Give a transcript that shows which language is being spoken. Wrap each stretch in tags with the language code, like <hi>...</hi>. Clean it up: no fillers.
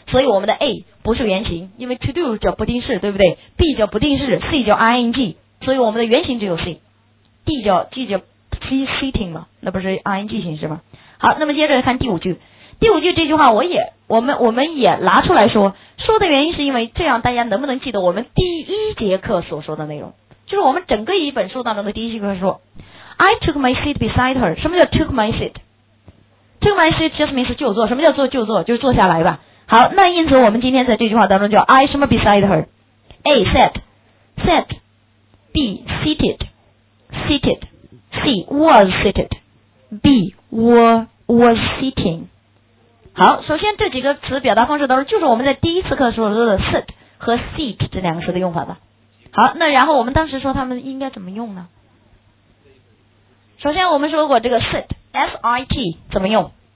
<zh>所以我们的 A 不是原形，因为 to do 叫不定式，对不对 ？B 叫不定式 ，C 叫 ing， 所以我们的原形只有 C，D 叫 G 叫 C sitting 嘛，那不是 ing 形式吗？好，那么接着看第五句。第五句这句话我们也拿出来说，说的原因是因为这样大家能不能记得我们第一节课所说的内容，就是我们整个一本书当中的第一节课说 I took my seat beside her。</zh> <en>什么叫 took my seat？ took my seat just means 就坐。</en> <zh>什么叫坐就坐？就是坐下来吧。好，那因此我们今天在这句话当中叫 I 什么 beside her。</zh> <en>A sat B seated C was seated B was sitting。</en> <zh>好，首先这几个词表达方式都是，就是我们在第一次课说的 sit 和 seat 这两个词的用法吧。好，那然后我们当时说他们应该怎么用呢？首先我们说过这个 sit S-I-T 怎么用。</zh>